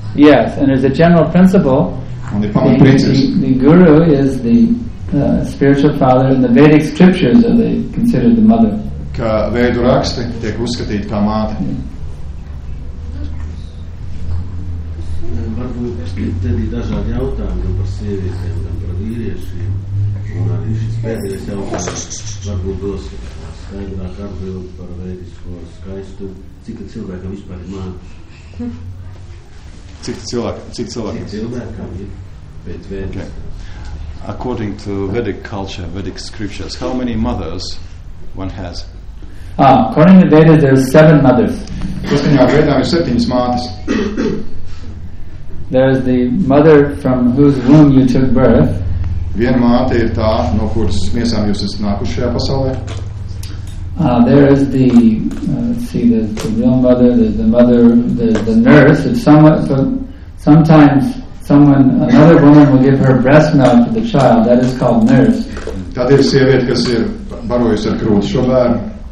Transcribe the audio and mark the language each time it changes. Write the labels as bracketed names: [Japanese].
[English] Yes, and there's a general principle. On the common principles. The guru is the spiritual father, and the Vedic scriptures are they considered the mother. [Latvian] Ka Vedu raksti tiek uzskatīti kā māte. Varbūt tad ir dažādi jautājumi par sievietēm, gan par vīriešiem, un arī šis pēdējais jautājums varbūt dos skaidrāk atbild par vēdisko skaistu, cik cilvēkam vispār ir mākuši. Cik cilvēkam ir pēc vēdis. Okay. [English] According to Vedic culture, Vedic scriptures, how many mothers one has? According to Vedas, there are 7 mothers. [Latvian] Kuskaņā Vedām ir 7 mātes. [English] There is the mother from whose womb you took birth. [Latvian] Viena māte ir tā, no kuras miesām jūs esat nākuši šajā pasaulē. [English] There is the the real mother, the nurse. If sometimes someone another woman will give her breast milk to the child, that is called nurse. [Latvian] Tad ir sieviete, kas ir barojusi ar krūti šo bērnu.